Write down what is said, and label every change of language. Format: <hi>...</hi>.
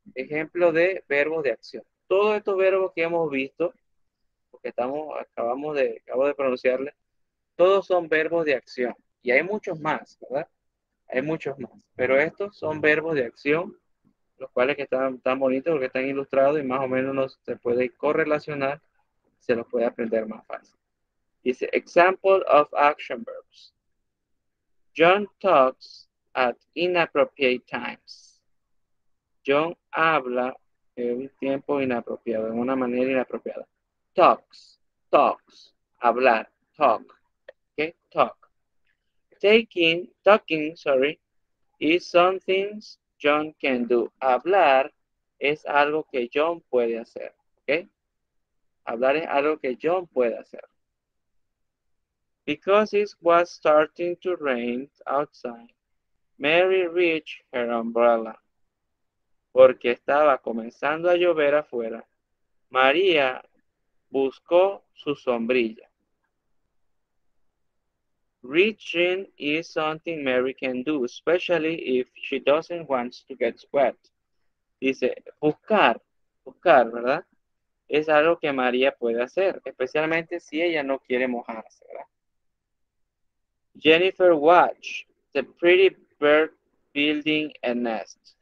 <es>Ejemplo de verbos de acción. Todos estos verbos que hemos visto, porque acabo de pronunciarle, todos son verbos de acción. Y hay muchos más, ¿verdad? Hay muchos más, pero estos son verbos de acción, los cuales que están tan bonitos porque están ilustrados y más o menos se puede correlacionar, se los puede aprender más fácil.</es> <en>Dice, example of action verbs. John talks at inappropriate times.</en> <es>John habla en un tiempo inapropiado, en una manera inapropiada.</es> <en>Talks, talks, hablar, talk, okay, talk. Talking, sorry, is something John can do.</en> <es>Hablar es algo que John puede hacer. ¿Okay? Hablar es algo que John puede hacer.</es> <en>Because it was starting to rain outside, Mary reached her umbrella.</en> <es>Porque estaba comenzando a llover afuera, María buscó su sombrilla.</es> <en>Reaching is something Mary can do, especially if she doesn't want to get wet.</en> <es>Dice, buscar, buscar, ¿verdad? Es algo que María puede hacer, especialmente si ella no quiere mojarse, ¿verdad?</es> <en>Jennifer watched the pretty bird building a nest.</en>